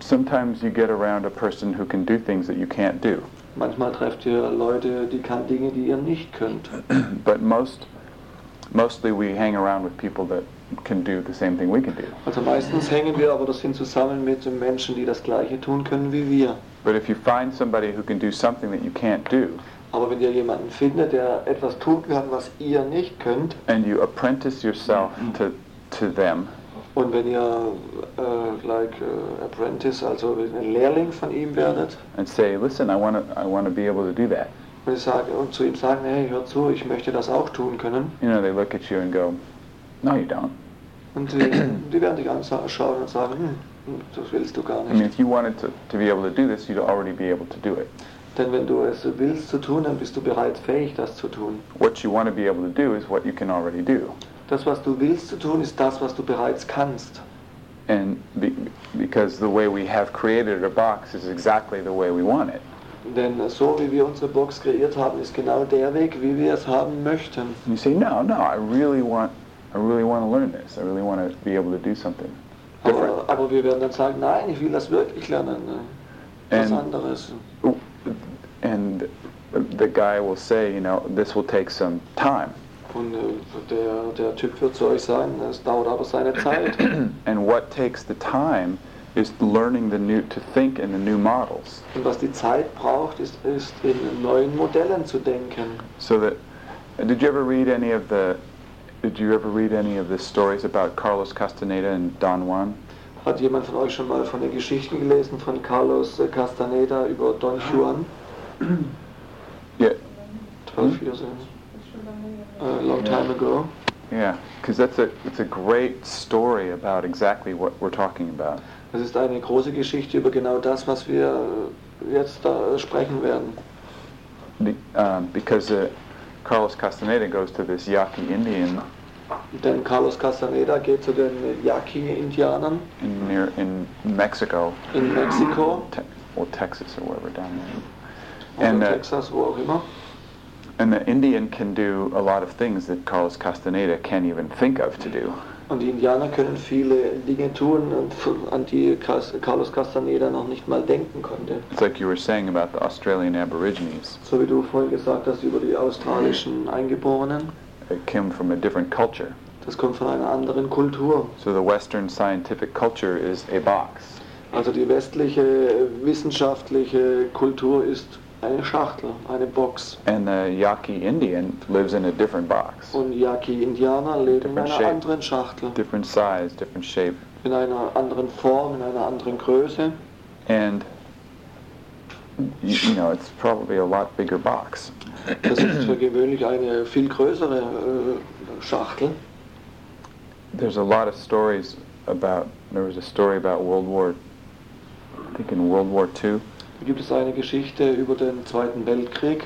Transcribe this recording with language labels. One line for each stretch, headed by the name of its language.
English: Sometimes you get around a person who can do things that you can't do.
German: Manchmal trefft ihr Leute, die kann Dinge, die ihr nicht könnt.
English: But mostly we hang around with people that can do the same thing we can do.
German: Also meistens hängen wir aber das hin zusammen mit Menschen, die das gleiche tun können wie wir.
English: But if you find somebody who can do something that you can't do.
German: Aber wenn ihr jemanden findet, der etwas tun kann, was ihr nicht könnt.
English: And you apprentice yourself to them.
German: Und wenn ihr apprentice, also ein Lehrling von ihm werdet.
English: And say, listen, I want to be able to do that.
German: Und zu ihm sagen, hey, hör zu, ich möchte das auch tun können.
English: You know, they look at you and go, no, you don't.
German: Und die werden dich anschauen und sagen, das willst du gar nicht.
English: I mean, if you wanted to be able to do this, you'd already be able to do it.
German: Denn wenn du es willst zu tun, dann bist du bereits fähig, das zu tun.
English: What you want to be able to do is what you can already do.
German: Das, was du willst zu tun, ist das, was du bereits kannst.
English: And because the way we have created our box is exactly the way we want it.
German: Denn so, wie wir unsere Box kreiert haben, ist genau der Weg, wie wir es haben möchten.
English: And you say, no, I really want to learn this. I really want to be able to do something different.
German: Aber wir werden dann sagen, nein, ich will das wirklich lernen. Was anderes.
English: And the guy will say, you know, this will take some time.
German: Und der Typ wird zu euch sagen, es dauert aber seine Zeit.
English: And what takes the time is learning the new to think in the new models.
German: Und was die Zeit braucht, ist in neuen Modellen zu denken.
English: So that, did you ever read any of the Did you ever read any of the stories about Carlos Castaneda and Don Juan?
German: Hat jemand von euch schon mal von den Geschichten gelesen von Carlos Castaneda über Don Juan?
English: Yeah. 12 years ago. Long time ago. Yeah, because that's it's a great story about exactly what we're talking about.
German: Das ist eine große Geschichte über genau das, was wir jetzt da sprechen werden.
English: Because Carlos Castaneda goes to this Yaqui Indian.
German: Denn Carlos Castaneda geht zu den Yaqui Indianern.
English: In Mexico.
German: In Mexico.
English: Or Texas or wherever down there.
German: And Texas, wo auch immer.
English: And the Indian can do a lot of things that Carlos Castaneda can't even think of to do.
German: Und die Indianer können viele Dinge tun, an die Carlos Castaneda noch nicht mal denken konnte.
English: It's like you were saying about the Australian Aborigines.
German: So wie du vorhin gesagt hast über die australischen Eingeborenen.
English: It came from a different culture.
German: Das kommt von einer anderen Kultur.
English: So the Western scientific culture is a box.
German: Also die westliche wissenschaftliche Kultur ist eine Schachtel, eine Box.
English: And the Yaqui Indian lives in a different box.
German: Und Yaqui Indianer leben in einer anderen Schachtel.
English: Different size, different shape.
German: In einer anderen Form, in einer anderen Größe.
English: And you know, it's probably a lot bigger box.
German: Das ist für gewöhnlich eine viel größere Schachtel.
English: There's a lot of stories about. There was a story about World War. I think in World War II.
German: Gibt es eine Geschichte über den Zweiten Weltkrieg?